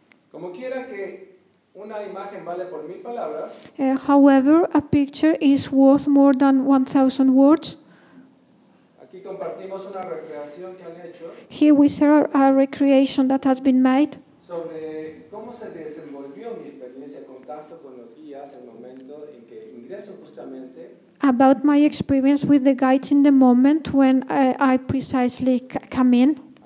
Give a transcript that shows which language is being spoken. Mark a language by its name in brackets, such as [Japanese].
[Spanish] Como quiera que una imagen vale por mil palabras. [English] However, a picture is worth more than 1,000 words. [Spanish] Aquí compartimos una recreación que han hecho. [English] Here we share a recreation that has been made. [Spanish] Sobre cómo se desenvolvió mi experiencia en contacto con los guías en el momento en que ingreso justamente. [English] About my experience with the guides in the moment when I precisely come in.